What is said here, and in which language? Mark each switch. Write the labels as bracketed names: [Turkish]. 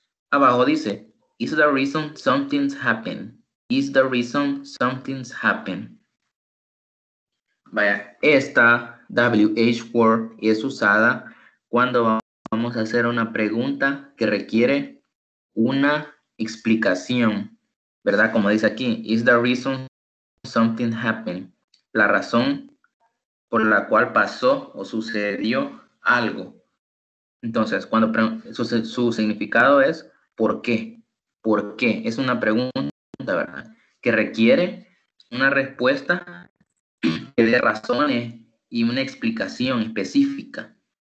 [Spanish] Abajo dice, [English] is the reason something's happen. Is the reason something's happen. [Spanish] Vaya, esta WH word es usada cuando vamos a hacer una pregunta que requiere una explicación, ¿verdad? Como dice aquí, [English] is the reason something happened. [Spanish] La razón por la cual pasó o sucedió algo. Entonces, cuando su significado es ¿por qué? ¿Por qué? Es una pregunta, ¿verdad? Que requiere una respuesta que dé razones y una explicación específica.